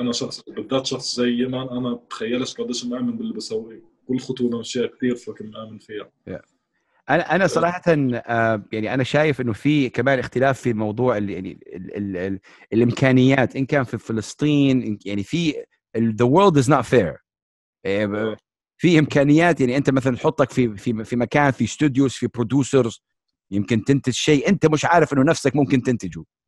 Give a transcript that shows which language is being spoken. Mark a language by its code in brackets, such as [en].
[ar] أنا شخص بالذات شخص زي يمان, أنا بتخيلش قديش مأمن باللي بسويه, كل خطوة أشياء كثير فكنا آمن فيها. Yeah. أنا صراحة يعني أنا شايف إنه في كمان اختلاف في موضوع اللي يعني الـ الإمكانيات إن كان في فلسطين. يعني في [en] the world is not fair. [ar] في إمكانيات يعني أنت مثلاً حطك في مكان في studios في producers يمكن تنتج شيء أنت مش عارف إنه نفسك ممكن تنتجه.